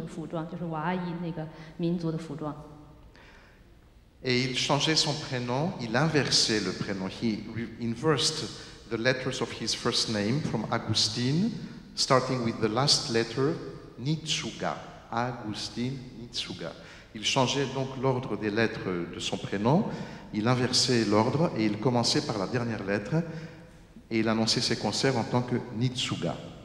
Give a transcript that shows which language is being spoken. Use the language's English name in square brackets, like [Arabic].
[Chinese] 他在音乐会上演奏的时候，自己都穿着民族的服装，就是瓦阿伊那个民族的服装。 [French] Et il changeait son prénom, il inversait le prénom. [English] He reversed the letters of his first name from Agustín, starting with the last letter, Nitsuga. Agustín Nitsuga. [French] Il changeait donc l'ordre des lettres de son prénom, il inversait l'ordre et il commençait par la dernière lettre et il annonçait ses concerts en tant que Nitsuga.